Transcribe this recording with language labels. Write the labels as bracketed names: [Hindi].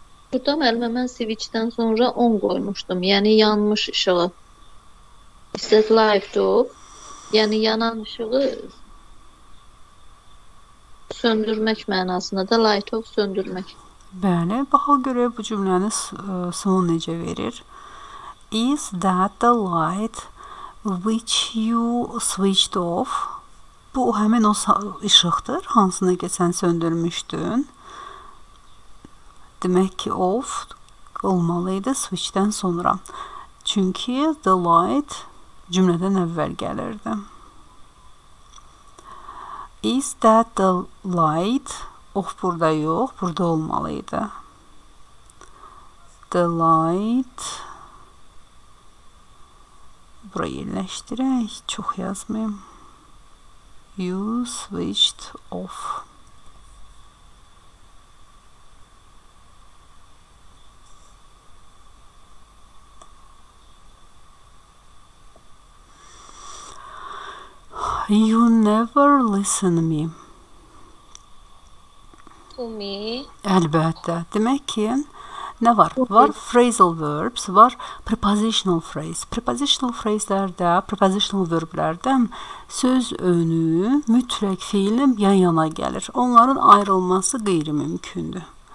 [Azerbaijani] Burada məlumə mən switchdən sonra on qoymuşdum. Yəni yanmış ışığı. [English] Is that light off? [Azerbaijani] Yəni yanan ışığı söndürmək mənasında da light off söndürmək. Bəli, baxaq görək bu cümləni son necə verir. [English] Is that the light which you switched off? [Azerbaijani] Bu həmin o ışıqdır, hansını ki sən söndürmüşdün. Demək ki, off olmalıydı switchdən sonra. Çünki the light cümlədən əvvəl gəlirdi. [English] Is that the light? [Azerbaijani] Off burada yox, burada olmalıydı. [English] The light... [Azerbaijani] Burayı yerləşdirək, çox yazmayım. [English] You switched off. You never listen me. To me. [Azerbaijani] Əlbəttə. Demək ki, nə var? Okay. Var phrasal verbs, var prepositional phrase. Prepositional phrase-lərdə, prepositional verb-lərdə söz önü mütləq fiilin yan-yana gəlir. Onların ayrılması qeyri-mümkündür.